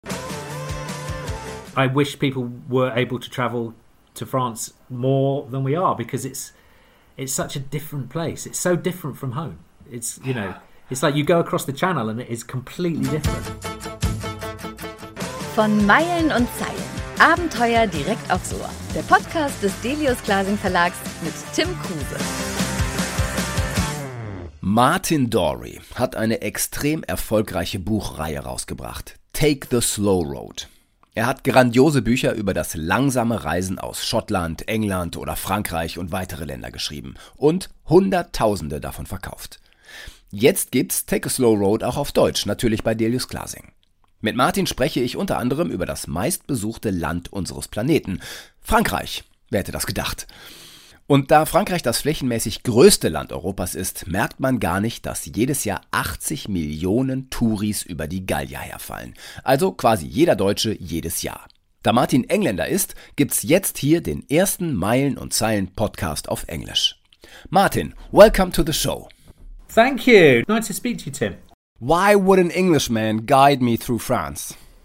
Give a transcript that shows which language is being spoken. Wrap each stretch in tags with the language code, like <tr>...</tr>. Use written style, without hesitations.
<en>I wish people were able to travel to France more than we are, because it's such a different place. It's so different from home. It's, you know, it's like you go across the channel and it is completely different.</en> <de>Von Meilen und Zeilen. Abenteuer direkt aufs Ohr. Der Podcast des Delius Glasing Verlags mit Tim Kruse. Martin Dory hat eine extrem erfolgreiche Buchreihe rausgebracht. Take the Slow Road. Er hat grandiose Bücher über das langsame Reisen aus Schottland, England oder Frankreich und weitere Länder geschrieben und Hunderttausende davon verkauft. Jetzt gibt's Take a Slow Road auch auf Deutsch, natürlich bei Delius Glasing. Mit Martin spreche ich unter anderem über das meistbesuchte Land unseres Planeten, Frankreich. Wer hätte das gedacht? Und da Frankreich das flächenmäßig größte Land Europas ist, merkt man gar nicht, dass jedes Jahr 80 Millionen Touris über die Gallia herfallen. Also quasi jeder Deutsche jedes Jahr. Da Martin Engländer ist, gibt's jetzt hier den ersten Meilen und Zeilen Podcast auf Englisch.</de> <en>Martin, welcome to the show. Thank you. Nice to speak to you, Tim. Why would an Englishman guide me through France?</en>